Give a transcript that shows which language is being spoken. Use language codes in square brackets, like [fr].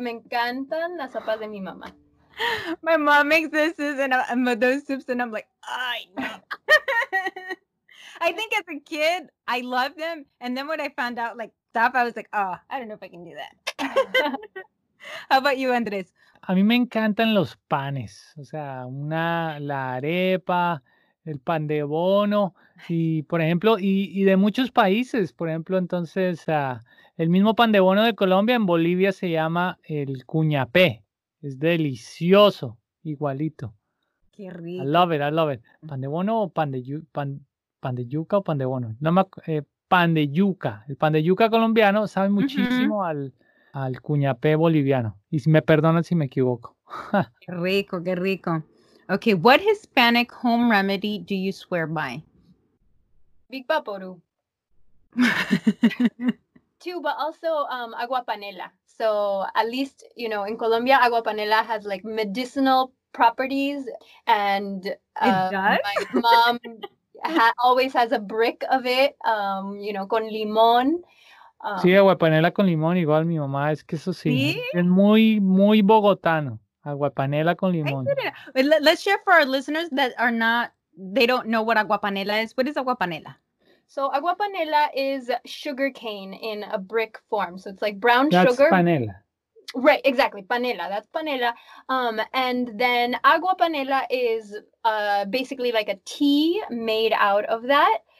[es] Me encantan las sopas de mi mamá. [en] My mom makes this and those soups, and I'm like, I know. I think as a kid, I loved them. And then when I found out, like, stop, I was like, oh, I don't know if I can do that. How about you, Andrés? [es] A mí me encantan los panes, o sea, la arepa, el pan de bono, y por ejemplo, y de muchos países, por ejemplo, entonces, el mismo pan de bono de Colombia, en Bolivia se llama el cuñapé, es delicioso, igualito. Qué rico. [en] I love it. [es] Pan de bono o pan de yuca o pan de bono, pan de yuca, el pan de yuca colombiano sabe muchísimo al cuñapé boliviano. Y me perdonan si me equivoco. Qué rico. [en] Okay, what Hispanic home remedy do you swear by? Big Vaporu. Two, but also agua panela. So at least, you know, in Colombia, agua panela has like medicinal properties. And it does? My mom always has a brick of it, you know, [es] con limón. Sí, agua panela con limón, igual mi mamá, es que eso sí, es muy, muy bogotano, agua panela con limón. [en] Let's share for our listeners that are not, they don't know what agua panela is. What is agua panela? So agua panela is sugar cane in a brick form, so it's like brown sugar. That's panela. Right, exactly, panela, that's panela. And then agua panela is basically like a tea made out of that.